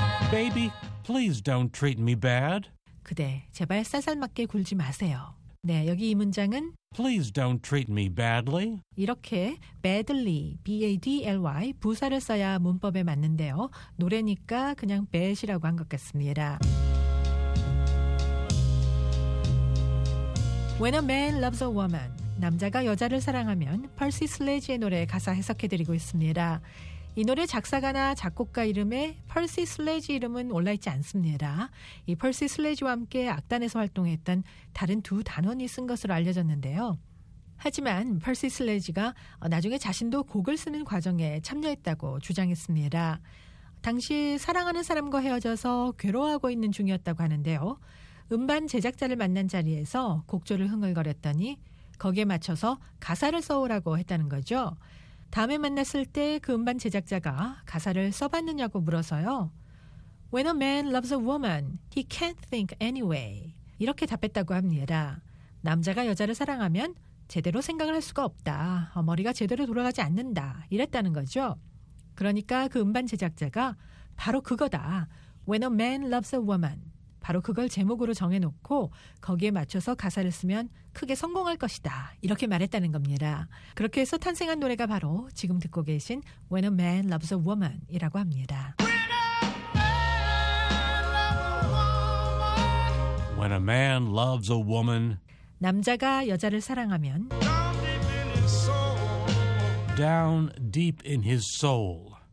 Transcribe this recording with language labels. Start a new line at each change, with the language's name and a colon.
English: Baby, please don't treat me bad.
Korean: 그대, 제발 쌀쌀맞게 굴지 마세요. 네, 여기 이 문장은
English: Please don't treat me badly.
Korean: 이렇게 badly, B-A-D-L-Y, 부사를 써야 문법에 맞는데요. 노래니까 그냥 bad이라고 한 것 같습니다. When a man loves a woman, 남자가 여자를 사랑하면 Percy Sledge의 노래 가사 해석해드리고 있습니다. 이 노래 작사가나 작곡가 이름에 Percy Sledge 이름은 올라있지 않습니다. 이 Percy Sledge와 함께 악단에서 활동했던 다른 두 단원이 쓴 것으로 알려졌는데요. 하지만 Percy Sledge가 나중에 자신도 곡을 쓰는 과정에 참여했다고 주장했습니다. 당시 사랑하는 사람과 헤어져서 괴로워하고 있는 중이었다고 하는데요. 음반 제작자를 만난 자리에서 곡조를 흥얼거렸더니 거기에 맞춰서 가사를 써오라고 했다는 거죠. 다음에 만났을 때 그 음반 제작자가 가사를 써봤느냐고 물어서요.
English: When a man loves a woman, he can't think anyway.
Korean: 이렇게 답했다고 합니다. 남자가 여자를 사랑하면 제대로 생각을 할 수가 없다. 머리가 제대로 돌아가지 않는다. 이랬다는 거죠. 그러니까 그 음반 제작자가 바로 그거다.
English: When a man loves a woman.
Korean: 바로 그걸 제목으로 정해놓고 거기에 맞춰서 가사를 쓰면 크게 성공할 것이다. 이렇게 말했다는 겁니다. 그렇게 해서 탄생한 노래가 바로 지금 듣고 계신 When a Man Loves a Woman이라고 합니다.
English: When a man loves a woman, When a man loves a woman,
Korean: 남자가 여자를 사랑하면
English: down deep in his soul, down deep in his soul,